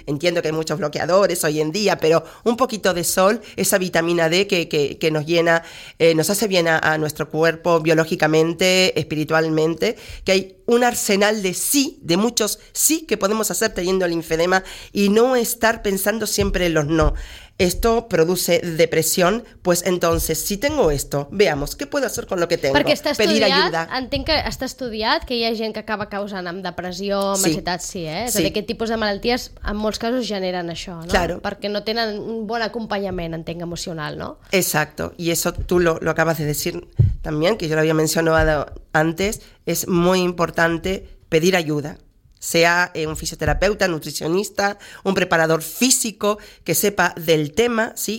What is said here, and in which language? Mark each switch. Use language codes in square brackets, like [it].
[es] Entiendo que hay muchos bloqueadores hoy en día, pero un poquito de sol, esa vitamina D que nos llena, nos hace bien a nuestro cuerpo biológicamente, espiritualmente, que hay un arsenal de sí, de muchos sí que podemos hacer teniendo el linfedema y no estar pensando siempre en los no. Esto produce depresión, pues entonces, si tengo esto, veamos, ¿qué puedo hacer con lo que tengo? [ca] Perquè està estudiat, [es] pedir ayuda. [ca] Entenc que està estudiat que hi ha gent que acaba causant amb depressió, amb ansietat, sí, eh? És a dir, aquest tipus de malalties en molts casos generen això, no? [es] Claro. [ca] Perquè no tenen un bon acompanyament, entenc, emocional, no? [es] Exacto, y eso tú lo acabas de decir también, que yo lo había mencionado antes, es muy importante pedir ayuda. Sea un fisioterapeuta, nutricionista, un preparador físico que sepa del tema, ¿sí?